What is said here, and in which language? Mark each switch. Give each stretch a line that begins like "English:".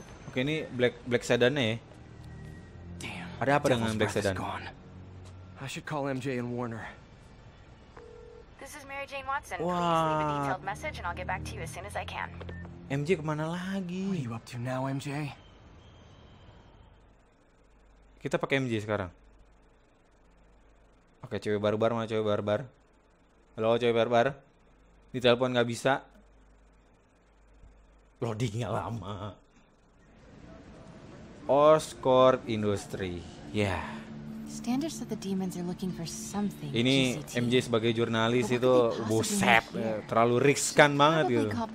Indonesian: Oke, ini black sedannya ya. Ada apa dengan black sedan?
English: I should call MJ and Warner. This is Mary Jane Watson. Please leave a detailed message and I'll get back to you as soon as I can.
Indonesian: MJ kemana lagi?
English: What are you up to now, MJ?
Indonesian: Kita pakai MJ sekarang. Oke, cewek barbar mana cewek barbar? Halo cewek barbar. Ditelepon enggak bisa. Loadingnya lama.
English: Oscorp Industri. Yeah. Standard said the demons are looking for something.
Indonesian: Ini MJ sebagai jurnalis itu buset, terlalu riskan banget gitu.